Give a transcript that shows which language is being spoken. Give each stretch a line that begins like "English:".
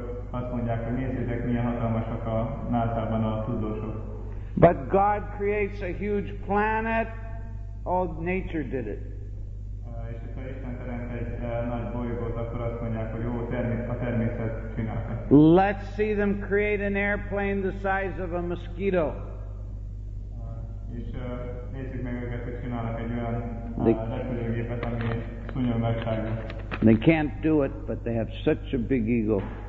Hungarian: azt mondják, hogy nézzétek, milyen hatalmasak a NASA-ban a tudósok.
English: But God creates a huge planet, all nature did it.
Hungarian: És ha Isten teremt egy nagy bolygót, akkor azt mondják, hogy jó, a természet csinálta.
English: Let's see them create an airplane the size of a mosquito.
Hungarian: És nézzük meg őket, hogy csinálnak egy olyan repülőgépet, ami szúnyog nagyságú.
English: They can't do it, but they have such a big ego.